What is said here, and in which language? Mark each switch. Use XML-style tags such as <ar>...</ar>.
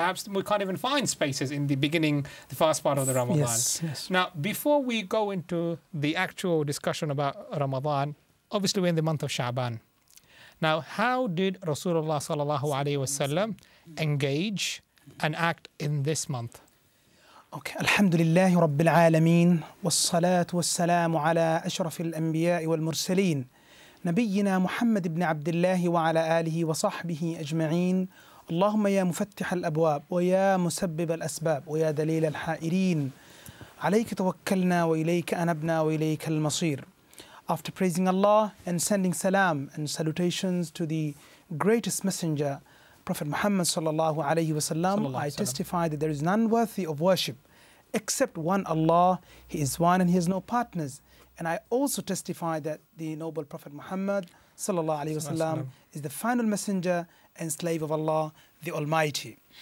<en>Perhaps we can't even find spaces in the beginning, the first part of the Ramadan. Yes, yes. Now, before we go into the actual discussion about Ramadan, obviously we're in the month of Sha'ban. Now, how did Rasulullah sallallahu alayhi wa sallam engage and act in this month?</en> <ar>Okay, alhamdulillahi rabbil alameen, wassalatu wassalamu ala ashrafil anbiya'i wal mursaleen, نبينا محمد بن عبد الله وعلى آله وصحبه أجمعين اللهم يا مفتح الأبواب ويا مسبب الأسباب ويا دليل الحائرين عليك توكلنا وإليك أنبنا وإليك المصير.</ar> <en>After praising Allah and sending salam and salutations to the greatest messenger, Prophet Muhammad sallallahu alayhi wa sallam, I testify that there is none worthy of worship except one Allah. He is one and he has no partners. And I also testify that the noble Prophet Muhammad sallallahu alaihi wasallam is the final messenger and slave of Allah, the Almighty.</en>